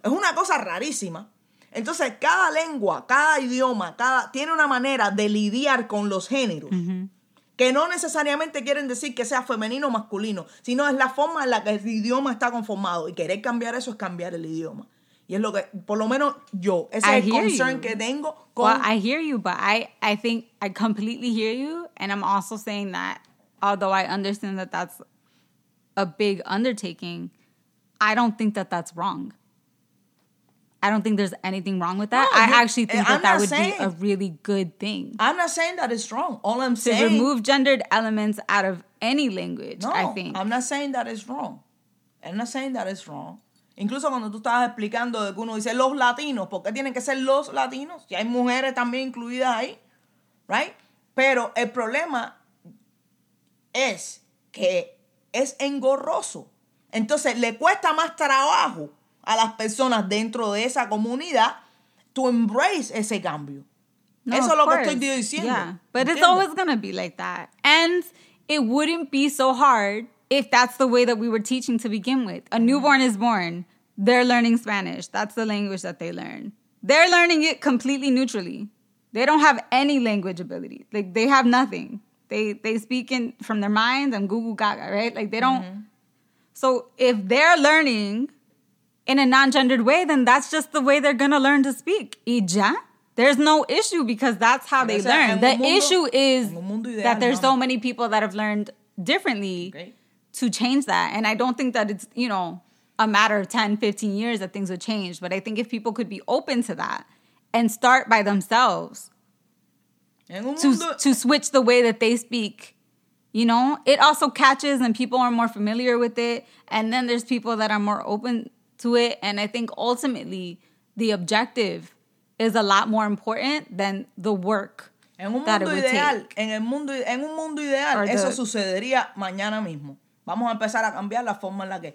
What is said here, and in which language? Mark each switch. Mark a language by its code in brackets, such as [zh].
[es] Es una cosa rarísima. Entonces, cada lengua, cada idioma, tiene una manera de lidiar con los géneros. Que no necesariamente quieren decir que sea femenino o masculino, sino es la forma en la que el idioma está conformado. Y querer cambiar eso es cambiar el idioma. Y es lo que, por lo menos yo, ese es el concern que tengo. [en] Well, I hear you, but I think I completely hear you. And I'm also saying that, although I understand that that's a big undertaking, I don't think that that's wrong. I don't think there's anything wrong with that. I actually think that would be a really good thing. I'm not saying that it's wrong. All I'm saying... To remove gendered elements out of any language, no, I think. No, I'm not saying that it's wrong. I'm not saying that it's wrong. [es] Incluso cuando tú estabas explicando de que uno dice los latinos, ¿por qué tienen que ser los latinos? Y hay mujeres también incluidas ahí, ¿right? Pero el problema es que es engorroso. Entonces, le cuesta más trabajo a las personas dentro de esa comunidad [en] to embrace [es] ese cambio. No, eso es lo course. Que estoy diciendo. [en] Yeah. But ¿entiendes? It's always going to be like that. And it wouldn't be so hard if that's the way that we were teaching to begin with. A newborn is born. They're learning Spanish. That's the language that they learn. They're learning it completely neutrally. They don't have any language ability. Like, they have nothing. They speak in from their minds and Google Gaga, right? Like, they don't. Mm-hmm. So if they're learning in a non-gendered way, then that's just the way they're going to learn to speak. Y ya. There's no issue because that's how they learn. The issue is that there's so many people that have learned differently. Okay. To change that. And I don't think that it's, you know, a matter of 10, 15 years that things would change. But I think if people could be open to that and start by themselves to switch the way that they speak, you know, it also catches and people are more familiar with it. And then there's people that are more open to it. And I think ultimately the objective is a lot more important than the work. [es] En un mundo ideal, eso sucedería mañana mismo. Vamos a empezar a cambiar la forma en la que...